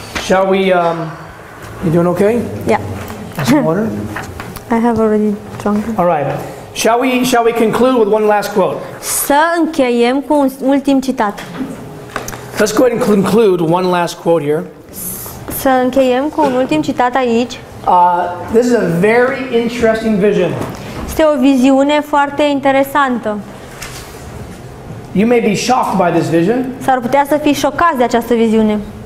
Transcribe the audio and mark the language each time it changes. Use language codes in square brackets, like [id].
[en] Shall we, you doing okay? Yeah. Some water? I have already drunk. All right. Shall we conclude with one last quote? [ro] Să încheiem cu un ultim citat. [en] Let's go ahead and conclude one last quote here. [ro] Să încheiem cu un ultim citat aici. [en] This is a very interesting vision. [ro] Este o viziune foarte interesantă. [en] You may be shocked by this vision. [ro] S-ar putea să fii șocat de această viziune.